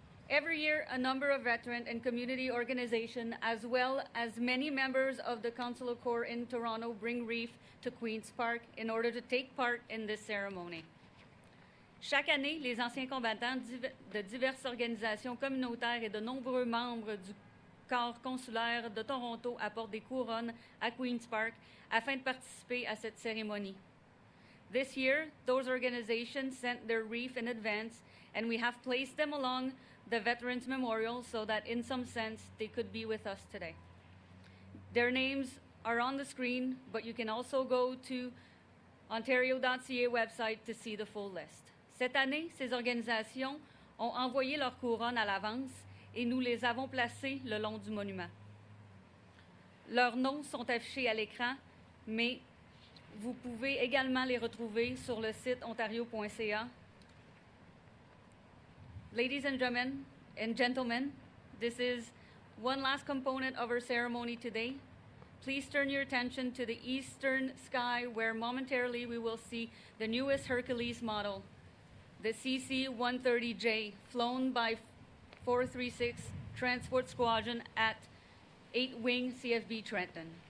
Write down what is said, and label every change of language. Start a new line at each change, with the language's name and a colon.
English: Every year, a number of veteran and community organizations, as well as many members of the Consular Corps in Toronto, bring wreath to Queen's Park in order to take part in this ceremony.
French: Chaque année, les anciens combattants de diverses organisations communautaires et de nombreux membres du corps consulaire de Toronto apportent des couronnes à Queen's Park afin de participer à cette cérémonie.
English: This year, those organizations sent their wreath in advance, and we have placed them along the Veterans Memorial so that in some sense they could be with us today. Their names are on the screen, but you can also go to ontario.ca website to see the full list.
French: Cette année, ces organisations ont envoyé leur couronne à l'avance et nous les avons placées le long du monument. Leurs noms sont affichés à l'écran, mais vous pouvez également les retrouver sur le site ontario.ca.
English: Ladies and gentlemen, this is one last component of our ceremony today. Please turn your attention to the eastern sky where momentarily we will see the newest Hercules model, the CC-130J, flown by 436 Transport Squadron at 8 Wing CFB Trenton.